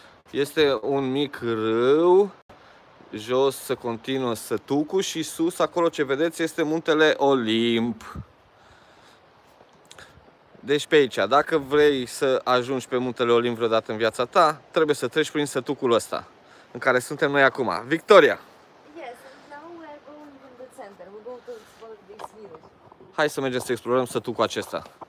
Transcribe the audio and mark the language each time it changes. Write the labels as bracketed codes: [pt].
[ro] Este un mic râu. Jos se continuă sătucul și sus, acolo ce vedeți, este muntele Olimp. Deci pe aici, dacă vrei să ajungi pe muntele Olimp vreodată în viața ta, trebuie să treci prin sătucul ăsta, în care suntem noi acum. Victoria! [en] Yes, and now we are going to the center. We're going to explore this village. [ro] Hai să mergem să explorăm sătucul acesta.